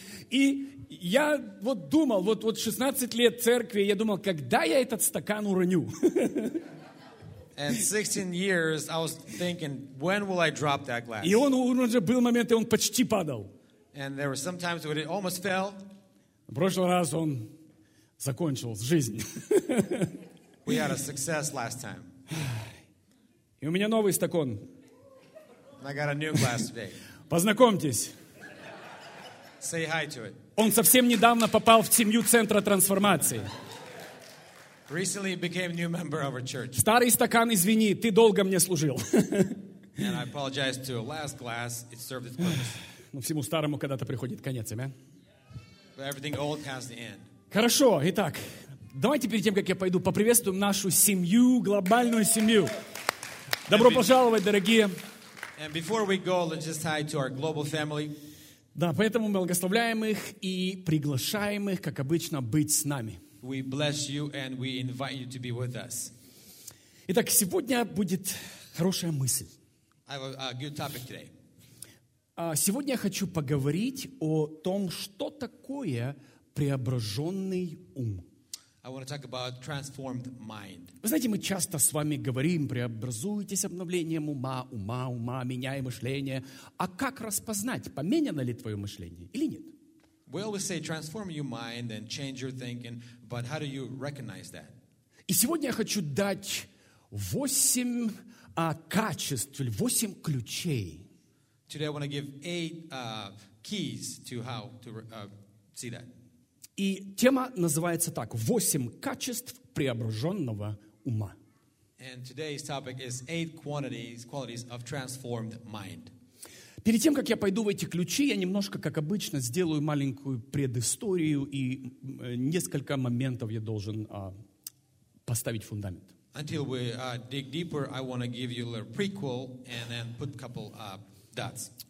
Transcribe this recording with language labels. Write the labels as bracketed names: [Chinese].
[Russian] И я вот думал, вот 16 лет церкви, я думал, когда я этот стакан уроню? [English] And 16 years, I was thinking, when will I drop that glass? [Russian] И он уже был момент, и он почти падал. [English] And there were some times when it almost fell. [Russian] В прошлый раз он закончил жизнь. [English] We had a success last time. [Russian] И у меня новый стакан. [English] I got a new glass today. [Russian] Познакомьтесь. [English] Say hi to it. [Russian] Он совсем недавно попал в семью центра трансформации. [English] Recently became a new member of our church. [Russian] Старый стакан, извини, ты долго мне служил. [English] And I apologize to the last glass. It served its purpose. [Russian] Но всему старому когда-то приходит конец, амен. [English] But everything old has the end. [Russian] Хорошо, итак, давайте перед тем, как я пойду, поприветствуем нашу семью, глобальную семью. Добро пожаловать, дорогие. [English] And before we go, let's just hi to our global family. [Russian] Да, поэтому мы благословляем их и приглашаем их, как обычно, быть с нами. [English] We bless you and we invite you to be with us. [Russian] Итак, сегодня будет хорошая мысль. [English] I have a good topic today. [Russian] Сегодня я хочу поговорить о том, что такое преображенный ум. [English] I want to talk about transformed mind. [Russian] Вы знаете, мы часто с вами говорим, преобразуйтесь обновлением ума, ума, ума, меняй мышление. А как распознать, поменяно ли твое мышление или нет? [English] We always say transform your mind and change your thinking, but how do you recognize that? [Russian] И сегодня я хочу дать 8 качеств, 8 ключей. [English] Today I want to give 8 keys to how to see that. [Russian] И тема называется так: 8 качеств преображенного ума. [English] And today's topic is 8 qualities of transformed mind. [Russian] Перед тем, как я пойду в эти ключи, я немножко, как обычно, сделаю маленькую предысторию и несколько моментов я должен поставить фундамент. [English] Until we dig deeper, I want to give you a little prequel and then put a couple dots.